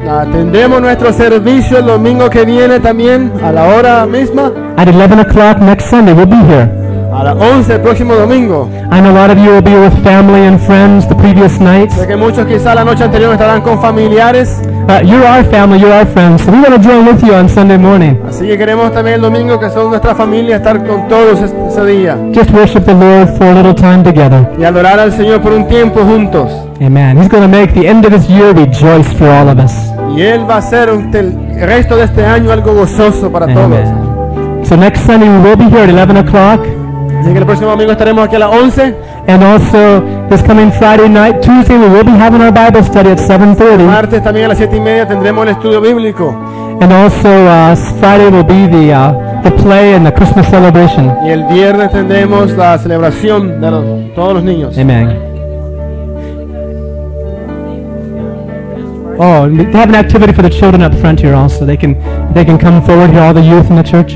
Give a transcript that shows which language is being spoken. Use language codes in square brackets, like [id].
[es] Atendemos nuestro servicio el domingo que viene también a la hora misma. [en] At 11 o'clock next Sunday, we'll be here. [es] A las 11 el próximo domingo. [en] And a lot of you will be with family and friends the previous nights. [es] Porque muchos quizá la noche anterior estarán con familiares. [en] You're our family, you're our friends. So we want to join with you on Sunday morning. [es] Así que queremos también el domingo que son nuestra familia estar con todos ese día. [en] Just worship the Lord for a little time together. [es] Y adorar al Señor por un tiempo juntos. [en] Amen. He's going to make the end of this year rejoice for all of us. [es] Y él va a hacer el resto de este año algo gozoso para todos. [en] So next Sunday we will be here at 11 o'clock. [es] Así que el próximo domingo estaremos aquí a las 11. [en] And also, this coming Friday night, Tuesday, we will be having our Bible study at 7:30. [es] Martes también a las 7:30 tendremos el estudio bíblico. [en] And also, Friday will be the play and the Christmas celebration. [es] Y el viernes tendremos la celebración de todos los niños. [en] Amen. Oh, they have an activity for the children up front here also. They can come forward here, all the youth in the church.